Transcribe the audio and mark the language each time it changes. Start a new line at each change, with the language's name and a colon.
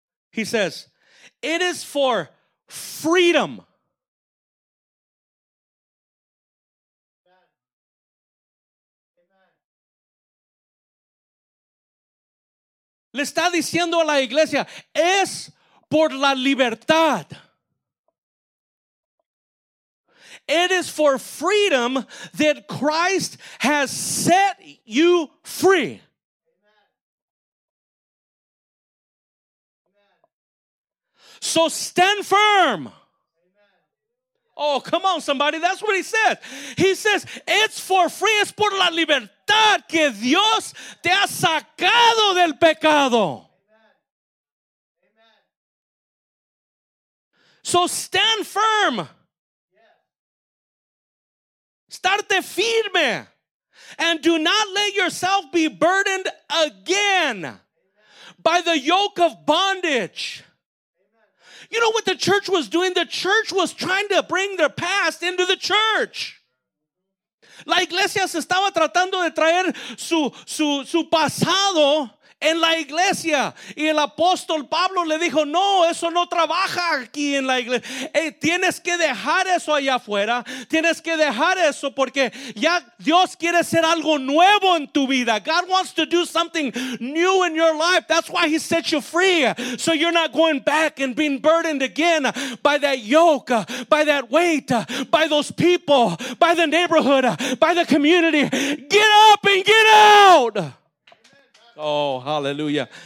English: He says, it is for freedom.
Spanish: Le está diciendo a la iglesia, es por la libertad.
English: It is for freedom that Christ has set you free. Amen. So stand firm. Amen. Oh, come on, somebody. That's what he says. He says, it's for free.
Spanish: Es por la libertad que Dios te ha sacado del pecado.
English: Amen. So stand firm. Starte firme and do not let yourself be burdened again by the yoke of bondage. You know what the church was doing? The church was trying to bring their past into the church.
Spanish: La iglesia se estaba tratando de traer su pasado en la iglesia. Y el apóstol Pablo le dijo, no, eso no trabaja aquí en la iglesia. Hey, tienes que dejar eso allá afuera. Tienes que dejar eso porque ya Dios quiere hacer algo nuevo en tu vida.
English: God wants to do something new in your life. That's why he set you free. So you're not going back and being burdened again by that yoke, by that weight, by those people, by the neighborhood, by the community. Get up and get out. Oh, hallelujah.